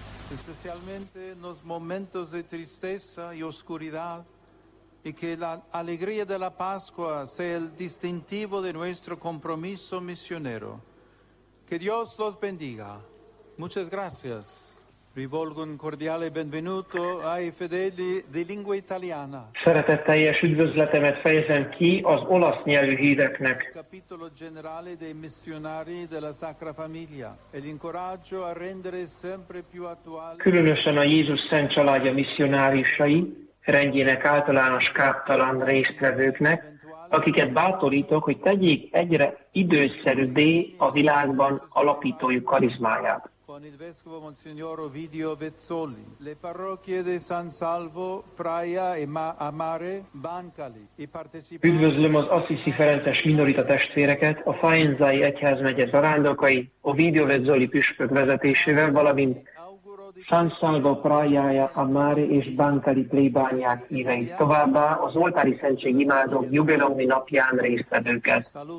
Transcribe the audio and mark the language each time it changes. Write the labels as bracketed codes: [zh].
[es] Especialmente en los momentos de tristeza y oscuridad, y que la alegría de la Pascua sea el distintivo de nuestro compromiso misionero. Que Dios los bendiga. Muchas gracias. [it] Rivolgo un cordiale benvenuto ai fedeli di lingua italiana. [hu] Szeretetteljes üdvözletemet fejezem ki az olasz nyelvű hídeknek. [it] Capitolo generale dei missionari della Sacra Famiglia e l'incoraggio a rendere sempre più attuale. [hu] Különösen a Jézus Szent Családja missionárisai, rendjének általános káptalan résztvevőknek, akiket bátorítok, hogy tegyék egyre időszerűbbé a világban alapítójuk karizmáját. [it] Con il vescovo Monsignor Ovidio Vezzoli, le parrocchie di San Salvo, Praia e Amare, Bancali, i partecipanti. [hu] Üdvözlöm az Assisi Ferences minorita testvéreket, a Faenzai Egyházmegye zarándokai Ovidio Vezzoli püspök vezetésével, valamint San Salvo Praiaja Amare és Bancali plébániák híveit, továbbá az oltári szentség imádók jubileumi napján résztvevőket.